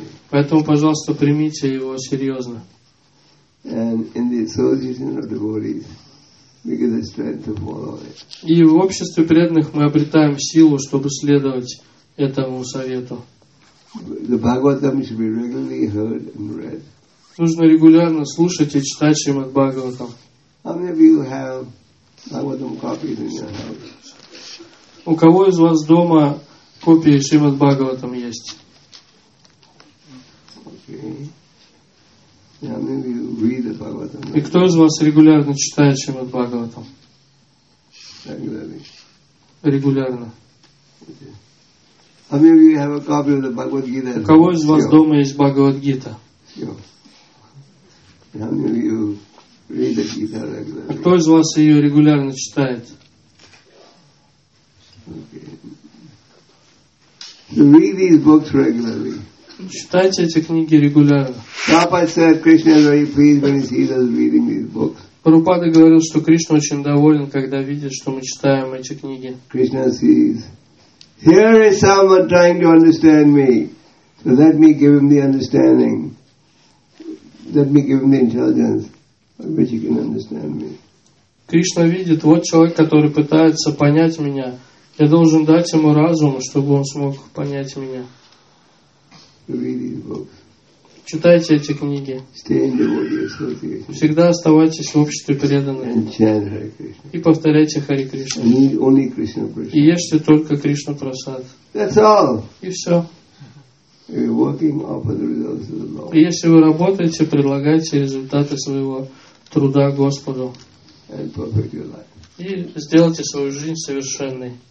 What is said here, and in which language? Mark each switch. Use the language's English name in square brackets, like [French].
[Russian] Поэтому, пожалуйста, примите его серьезно. И в обществе преданных мы обретаем силу, чтобы следовать этому совету. [English] The Bhagavatam should be regularly heard and read. [Russian] Нужно регулярно слушать и читать Шримад Бхагаватам. [English] How many of you have Bhagavatam copies in your house? [Russian] У кого из вас дома копии Шримад Бхагаватам есть? [English] Okay. How many of you read the Bhagavatam? [Russian] И кто из вас регулярно читает Шримад Бхагаватам? Регулярно. [English] How many of you have a copy of the Bhagavad Gita? [Russian] У кого из вас дома есть Бхагавад Гита? [English] Sure. How many of you read the Gita regularly? [Russian] Кто из вас ее регулярно читает? [English] Okay. Read these books regularly. [Russian] Читайте эти книги регулярно. [English] Prabhupada said Krishna is very pleased when he sees us reading these books. [Russian] Прабхупада говорил, что Кришна очень доволен, когда видит, что мы читаем эти книги. [English] Krishna sees. Here is someone trying to understand me. So let me give him the understanding. Let me give him the intelligence by which he can understand me. [Russian] Кришна видит, вот человек, который пытается понять меня. Я должен дать ему разум, чтобы он смог понять меня. [English] Read these books. [Russian] Читайте эти книги. [English] Stay in devotee association. [Russian] Всегда оставайтесь в обществе преданных. [English] And chant Hare Krishna. [Russian] И повторяйте Хари Кришна. [English] And eat only Krishna Prasad. [Russian] И ешьте только Кришна Прасад. [English] That's all. [Russian] И все. [English] You're working, offer the results of the Lord. [Russian] И если вы работаете, предлагайте результаты своего труда Господу. [English] And perfect your life. [Russian] И сделайте свою жизнь совершенной.